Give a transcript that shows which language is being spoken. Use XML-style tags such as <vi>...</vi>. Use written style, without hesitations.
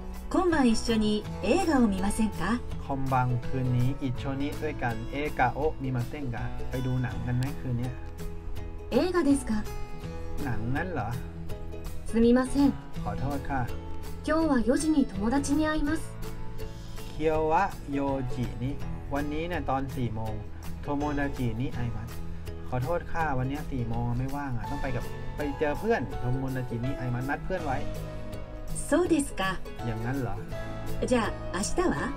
<ja>今晩一緒に映画を見ませんか今晩</ja> <th>คืนนี้</th> <ja>一緒に</ja> <th>ด้วยกัน</th> <ja>映画を見ませんか</ja> <th>ไปดูหนังกันไหมคืนนี้</th> <ja>映画ですか？</ja> <th>หนังนั้นเหร</th> <ja>อすみません。</ja> <th>ขอโทษค่ะ。</th> <ja>今日は4時に友達に会います。 คียววะโยจินิ</ja> <th>วันนี้เนี่ยตอน4โมงโทโมนาจินิไอมัสขอโทษค่ะวันนี้4โมงไม่ว่างอ่ะต้องไปกับไปเจอเพื่อนโทโมนาจินิไอมัสนัดเพื่อนไว้</th> <ja>そうですか</ja> <th>อย่างนั้นเหรอ</th> <ja>じゃあ明日は</ja>